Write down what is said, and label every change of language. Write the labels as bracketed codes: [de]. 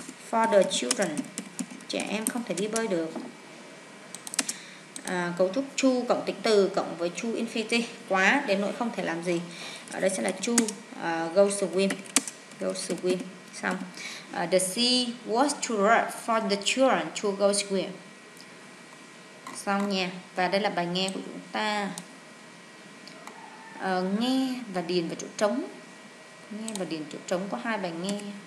[en] For the children [vi] trẻ em không thể đi bơi được. Cấu trúc chu cộng tính từ cộng với chu infinity quá đến nỗi không thể làm gì. Ở đây sẽ là chu [en] go swim. [vi] Xong. [en] The sea was too rough for the children to go swim. [vi] Xong nha. Và đây là bài nghe của chúng ta. Nghe và điền vào chỗ trống. Nghe và điền chỗ trống có hai bài nghe.